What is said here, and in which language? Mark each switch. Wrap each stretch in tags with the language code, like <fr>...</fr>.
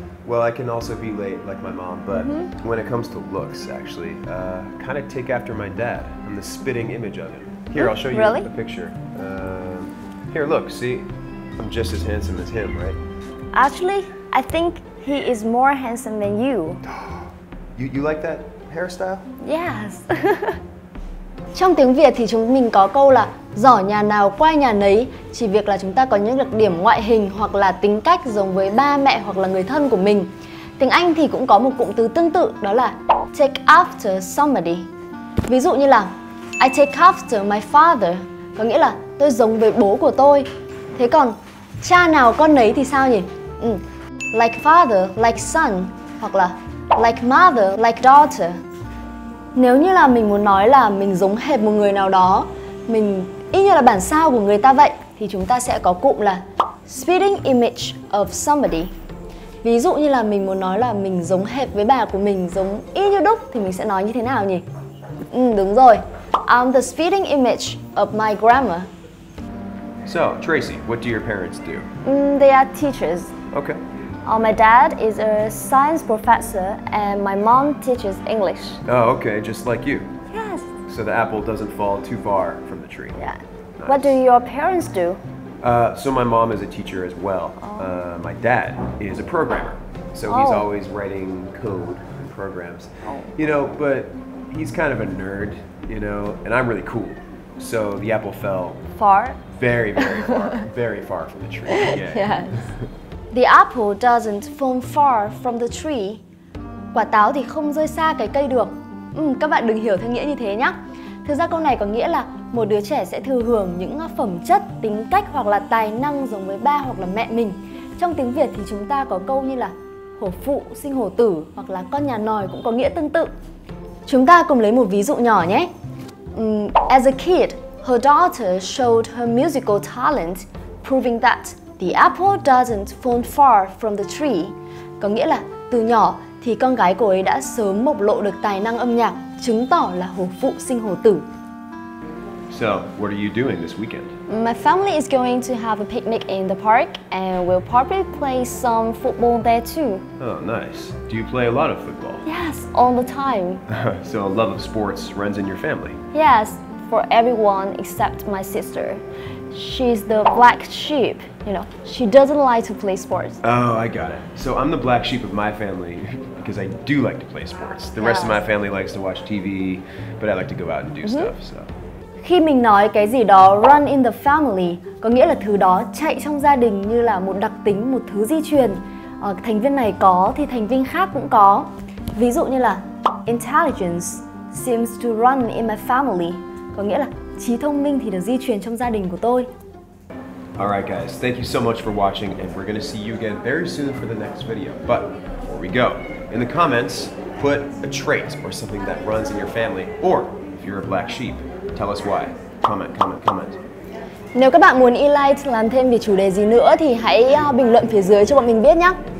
<en>Well, I can also be late, like my mom, but when it comes to looks, actually, kind of take after my dad. I'm the spitting image of him. Here, I'll show you really? A picture. Here, look, see? I'm just as handsome as him, right? Actually, I think he is more handsome than you. You like that hairstyle? Yes.</en> <vi>Trong tiếng Việt thì chúng mình có câu là giỏ nhà nào qua nhà nấy. Chỉ việc là chúng ta có những đặc điểm ngoại hình hoặc là tính cách giống với ba mẹ hoặc là người thân của mình. Tiếng Anh thì cũng có một cụm từ tương tự, đó là</vi> <en>take after somebody.</en> <vi>Ví dụ như là</vi> <en>I take after my father,</en> <vi>có nghĩa là tôi giống với bố của tôi. Thế còn cha nào con nấy thì sao nhỉ? Like father, like son, hoặc là like mother, like daughter. Nếu như là mình muốn nói là mình giống hệt một người nào đó, mình y như là bản sao của người ta vậy, thì chúng ta sẽ có cụm là</vi> <en>spitting image of somebody.</en> <vi>Ví dụ như là mình muốn nói là mình giống hệt với bà của mình, giống y như đúc, thì mình sẽ nói như thế nào nhỉ? Đúng rồi,</vi> <en>I'm the spitting image of my grandma. So, Tracy, what do your parents do? They are teachers. Okay. My dad is a science professor and my mom teaches English. Oh, okay, just like you. Yes. So the apple doesn't fall too far from the tree. Yeah. Nice. What do your parents do? So my mom is a teacher as well. My dad is a programmer. So he's always writing code and programs. You know, but he's kind of a nerd, you know, and I'm really cool. So the apple fell far? Very, very far. Very far from the tree. Yeah. Yes. The apple doesn't fall far from the tree.</en> <vi>Quả táo thì không rơi xa cái cây được. Các bạn đừng hiểu theo nghĩa như thế nhé. Thực ra câu này có nghĩa là một đứa trẻ sẽ thừa hưởng những phẩm chất, tính cách hoặc là tài năng giống với ba hoặc là mẹ mình. Trong tiếng Việt thì chúng ta có câu như là hổ phụ sinh hổ tử hoặc là con nhà nòi cũng có nghĩa tương tự. Chúng ta cùng lấy một ví dụ nhỏ nhé.</vi> <en>As a kid, her daughter showed her musical talent, proving that the apple doesn't fall far from the tree.</en> <vi>Có nghĩa là từ nhỏ thì con gái cô ấy đã sớm bộc lộ được tài năng âm nhạc, chứng tỏ là hổ phụ sinh hổ tử. So, what are you doing this weekend? My family is going to have a picnic in the park and we'll probably play some football there too. Oh, nice. Do you play a lot of football? Yes, all the time. So, a love of sports runs in your family? Yes, for everyone except my sister. She's the black sheep. You know, she doesn't like to play sports. Oh, I got it. So I'm the black sheep of my family because I do like to play sports. The rest of my family likes to watch TV, but I like to go out and do stuff, so. Khi mình nói cái gì đó</vi> <en>run in the family,</en> <vi>có nghĩa là thứ đó chạy trong gia đình như là một đặc tính, một thứ di truyền. Thành viên này có thì thành viên khác cũng có. Ví dụ như là</vi> <en>intelligence seems to run in my family.</en> <vi>Có nghĩa là trí thông minh thì được di truyền trong gia đình của tôi.</vi> <en>Alright guys, thank you so much for watching and we're gonna see you again very soon for the next video. But before we go, in the comments, put a trait or something that runs in your family, or if you're a black sheep, tell us why. Comment.</en> <vi>Nếu các bạn muốn Elite làm thêm về chủ đề gì nữa thì hãy bình luận phía dưới cho bọn mình biết nhé.</vi>